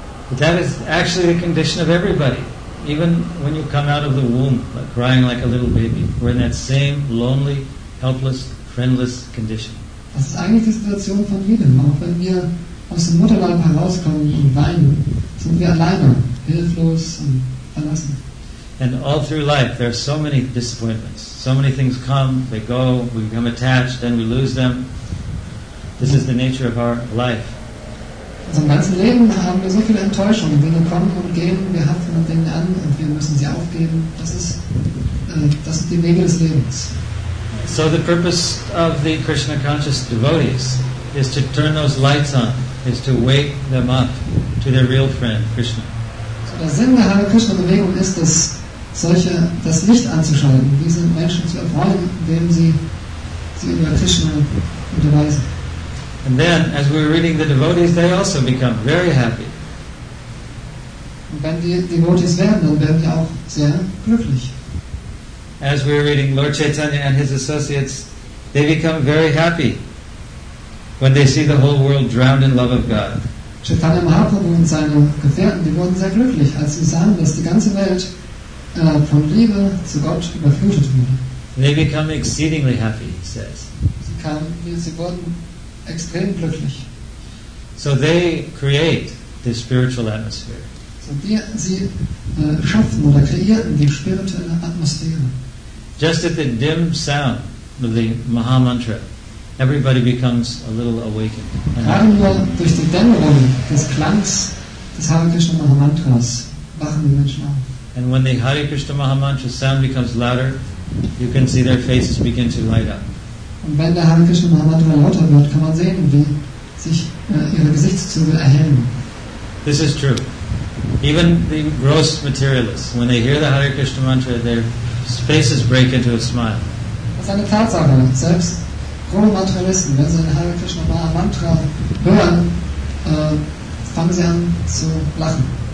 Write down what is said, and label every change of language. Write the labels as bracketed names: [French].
[English] But that is actually the condition of everybody. Even when you come out of the womb, like crying like a little baby, we're in that same lonely, helpless, friendless condition. [German] Das ist eigentlich die Situation von jedem. Auch wenn wir aus dem Mutterleib herauskommen und weinen, sind wir alleine, hilflos und verlassen. [English] And all through life, there are so many disappointments. So many things come, they go, we become attached, then we lose them. This is the nature of our life. [German] Also im ganzen Leben haben wir so viele Enttäuschungen. Dinge kommen und gehen, wir haften an Dingen an und wir müssen sie aufgeben. Das sind die Wege des Lebens. [English] So the purpose of the Krishna conscious devotees is to turn those lights on, is to wake them up to their real friend, Krishna. [German] So der Sinn der Hare Krishna Bewegung ist es, das Licht anzuschalten, diese Menschen zu erfreuen, indem sie über Krishna unterweisen. [English] And then, as we were reading the devotees, they also become very happy. [German] Und wenn die Devotees werden, dann werden die auch sehr glücklich. [English] As we were reading Lord Chaitanya and his associates, they become very happy when they see the whole world drowned in love of God. [German] Chaitanya Mahaprabhu und seine Gefährten, die wurden sehr glücklich, als sie sahen, dass die ganze Welt von Liebe zu Gott überflutet wurde. [English] They become exceedingly happy, he says. [German] Sie wurden extrem glücklich. [English] So they create the spiritual atmosphere. [German] Sie schaffen oder kreierten die spirituelle Atmosphäre. [English] Just at the dim sound of the Maha Mantra, everybody becomes a little awakened. [German] Gerade nur durch die Dämmerung des Klangs des Hare Krishna Maha Mantras wachen die Menschen auf. [English] And when the Hare Krishna Maha Mantra sound becomes louder, you can see their faces begin to light up. [German] Und wenn der Hare Krishna Maha Mantra lauter wird, kann man sehen, wie sich ihre Gesichtszüge erhellen. [English] This is true. Even the gross materialists, when they hear the Hare Krishna Mantra, their faces break into a smile. [German] Das ist eine Tatsache. Selbst grobe Materialisten, wenn sie den Hare Krishna Maha Mantra hören, fangen sie an zu lachen.